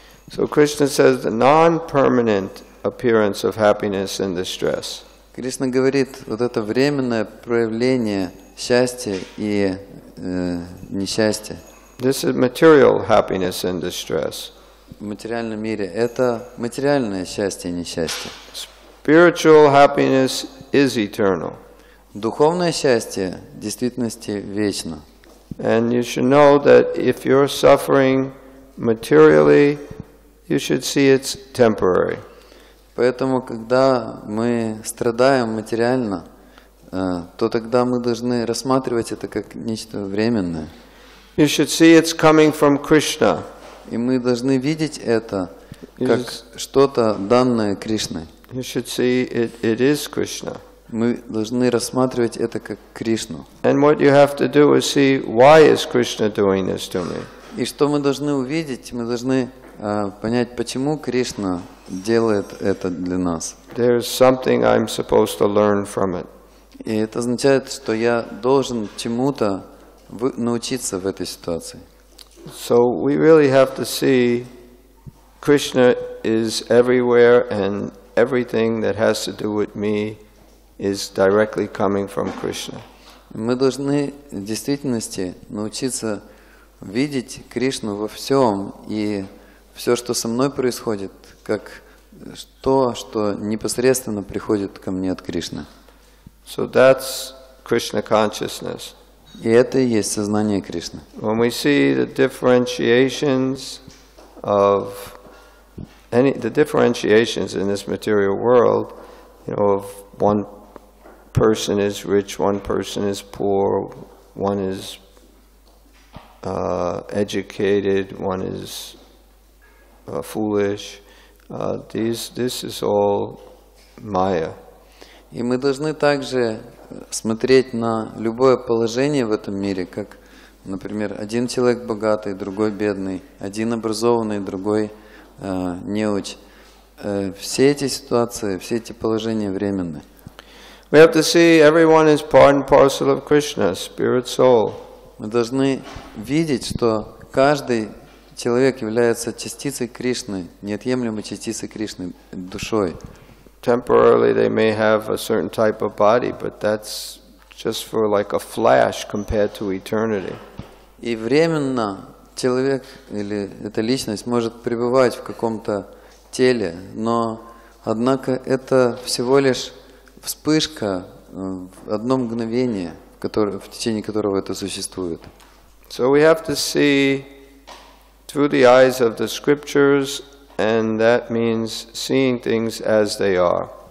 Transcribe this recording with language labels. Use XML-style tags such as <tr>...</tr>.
<en>So Krishna says the non-permanent appearance of happiness and distress.</en> <ru>Кришна говорит, вот это временное проявление счастья и несчастья.</ru> <en>This is material happiness and distress.</en> <ru>В материальном мире это материальное счастье и несчастье.</ru> <en>Spiritual happiness is eternal.</en> <ru>Духовное счастье в действительности вечно.</ru> <en>And you should know that if you're suffering materially, you should see it's temporary.</en> <ru>Поэтому, когда мы страдаем материально, то тогда мы должны рассматривать это как нечто временное.</ru> <en>You should see it's coming from Krishna.</en> <ru>И мы должны видеть это как что-то данное Кришной.</ru> <en>You should see it is Krishna.</en> <ru>Мы должны рассматривать это как Кришну.</ru> <en>And what you have to do is see why is Krishna doing this to me.</en> <ru>И что мы должны увидеть, мы должны понять, почему Кришна делает это для нас.</ru> <en>There is something I'm supposed to learn from it.</en> <ru>И это означает, что я должен чему-то научиться в этой ситуации.</ru> <en>So we really have to see Krishna is everywhere and everything that has to do with me is directly coming from Krishna.</en> <ru>Мы должны в действительности научиться видеть Кришну во всем, и все, что со мной происходит, как то, что непосредственно приходит ко мне от Кришны.</ru> <en>So that's Krishna consciousness.</en> <ru>И это и есть сознание Кришны.</ru> <en>When we see the differentiations of any the differentiations in this material world, you know, of one person is rich, one person is poor, one is educated, one is foolish. This is all Maya.</en> <ru>И мы должны также смотреть на любое положение в этом мире, как, например, один человек богатый, другой бедный, один образованный, другой неуч. Все эти ситуации, все эти положения временны.</ru> <en>We have to see everyone is part and parcel of Krishna, spirit, soul.</en> <ru>Мы должны видеть, что каждый человек является частицей Кришны, неотъемлемой частицей Кришны, душой.</ru> <en>Temporarily they may have a certain type of body, but that's just for like a flash compared to eternity.</en> <ru>И временно человек или эта личность может пребывать в каком-то теле, но однако это всего лишь вспышка в одно мгновение, в течение которого это существует.</ru> <en>So we have to see through the eyes of the scriptures, and that means seeing things as they are.</en>